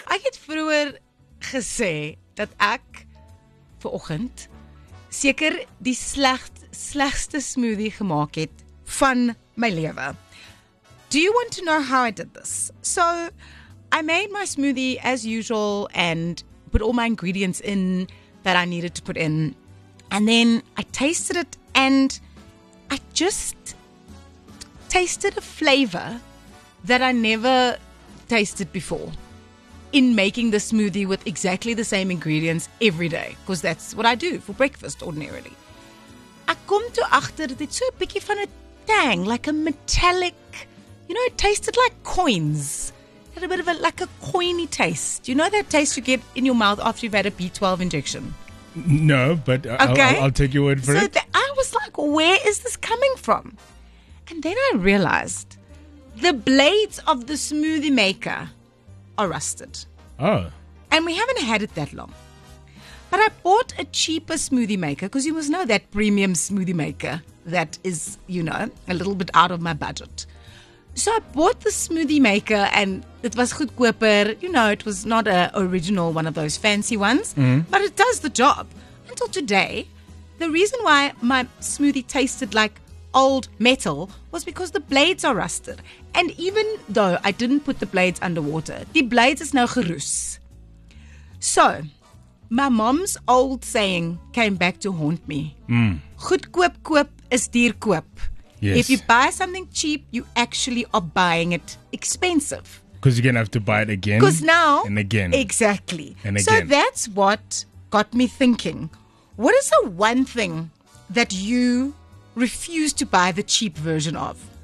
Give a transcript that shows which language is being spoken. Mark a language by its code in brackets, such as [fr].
[af] Ek het vroeër gesê dat ek vanoggend seker die slegste smoothie gemaak het van my lewe. [en] Do you want to know how I did this? So, I made my smoothie as usual and put all my ingredients in that I needed to put in. And then I tasted it and I just tasted a flavor that I never tasted before in making the smoothie with exactly the same ingredients every day, because that's what I do for breakfast ordinarily. [af] Ek kom toe agter dit het so 'n bietjie van 'n tang, [en] like a metallic, you know, it tasted like coins. It had a bit of a, like a coiny taste. You know that taste you get in your mouth after you've had a B12 injection? No, but okay. I'll take your word for it. So I was like, where is this coming from? And then I realized the blades of the smoothie maker are rusted. Oh. And we haven't had it that long. But I bought a cheaper smoothie maker because you must know that premium smoothie maker that is, you know, a little bit out of my budget. So I bought the smoothie maker and it was goedkoper. You know, it was not an original one of those fancy ones. Mm-hmm. But it does the job. Until today, the reason why my smoothie tasted like old metal was because the blades are rusted. And even though I didn't put the blades underwater, the blades is now geroes. So, my mom's old saying came back to haunt me. [af] Goedkoop koop is duur koop. [en] Yes. If you buy something cheap, you actually are buying it expensive. Because you're going to have to buy it again. Because now. And again. Exactly. And again. So that's what got me thinking. What is the one thing that you refuse to buy the cheap version of?